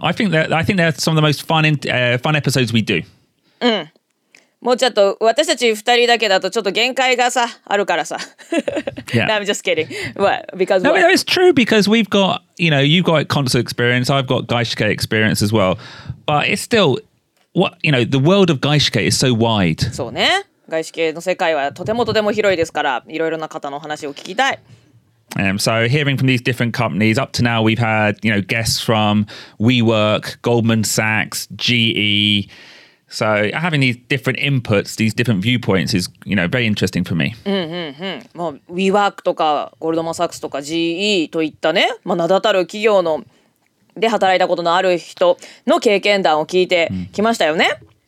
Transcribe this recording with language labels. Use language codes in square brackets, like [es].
[en] I think they're some of the most fun episodes we do. うん。 [ja] もうちょっと私たち二人だけだとちょっと限界がさ、あるからさ。 Yeah. [en] No, I'm just kidding. What? Because no, what? No, it's true because we've got, you know, you've got concert experience, I've got Gaishke experience as well. But it's still... What, you know, the world of Gaishke is so wide. [ja] そうね。 Gaishke の世界はとてもとても広いですから、いろいろな方の話を聞きたい。 [en] So hearing from these different companies, up to now we've had, you know, guests from WeWork, Goldman Sachs, GE. So having these different inputs, these different viewpoints is, you know, very interesting for me. [ja] もう WeWork とか Goldman Sachs とか GE といったね、まあ、名だたる企業ので働いたことのある人の経験談を聞いてきましたよね。